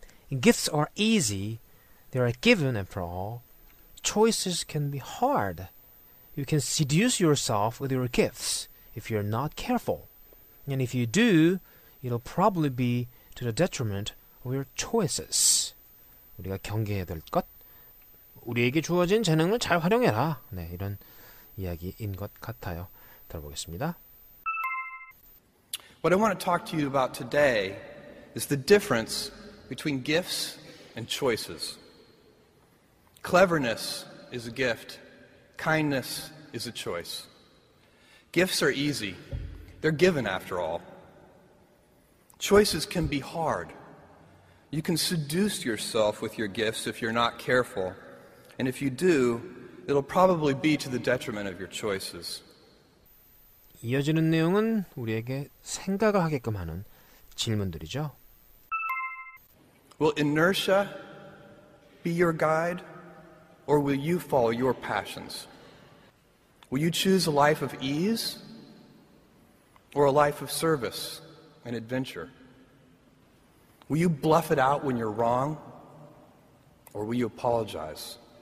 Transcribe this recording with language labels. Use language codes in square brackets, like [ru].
[en] Gifts are easy. They are given after all. Choices can be hard. You can seduce yourself with your gifts if you're not careful. And if you do, it'll probably be to the detriment of your choices. [ko] 우리가 경계해야 될 것. 우리에게 주어진 재능을 잘 활용해라. 네, 이런 이야기인 것 같아요. 들어보겠습니다. [en] What I want to talk to you about today is the difference between gifts and choices. Cleverness is a gift. Kindness is a choice. Gifts are easy. They're given, after all. Choices can be hard. You can seduce yourself with your gifts if you're not careful. And if you do, it'll probably be to the detriment of your choices. [ko] 이어지는 내용은 우리에게 생각을 하게끔 하는 질문들이죠. [en] Will inertia be your guide, or will you follow your passions? Will you choose a life of ease, or a life of service and adventure? Will you bluff it out when you're wrong, or will you apologize?